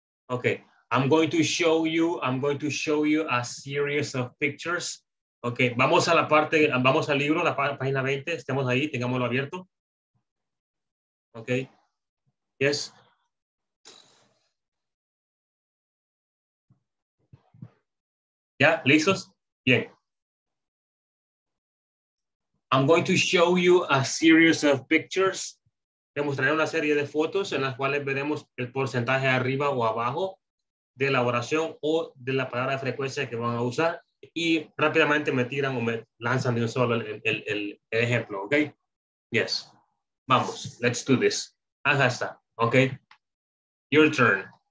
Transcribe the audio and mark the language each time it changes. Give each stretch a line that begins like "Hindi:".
English: Okay, I'm going to show you a series of pictures.
Spanish: Ok, vamos a la parte, vamos al libro, la página 20, estemos ahí, tengámoslo abierto.
English: Ok, yes.
Spanish: ¿Ya? ¿Listos? Bien.
English: I'm going to show you a series of pictures.
Spanish: Te mostraré una serie de fotos en las cuales veremos el porcentaje arriba o abajo de la oración o de la palabra de frecuencia que van a usar. Y rápidamente me tiran o me lanzan de un solo el ejemplo, ¿ok?
English: Yes.
Spanish: Vamos,
English: let's do this.
Spanish: Acá está,
English: ¿ok? Your turn.